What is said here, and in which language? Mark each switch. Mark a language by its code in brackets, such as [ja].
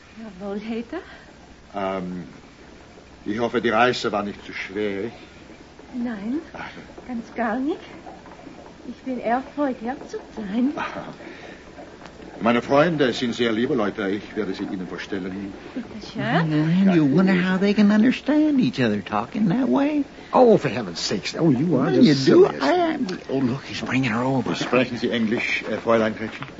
[de] Ja, Wohlheter? Ich hoffe, die Reise war nicht zu schwer. Nein, ganz gar nicht. Ich bin erfreut, hier zu sein. Meine Freunde sind sehr liebe Leute. Ich werde sie Ihnen vorstellen. [en] And you wonder how they can understand each other talking that way. Oh, for heaven's sakes. Oh, you are. You do? I am. Oh, look, he's bringing her over. [de] Sprechen Sie Englisch, Fräulein Gretchen?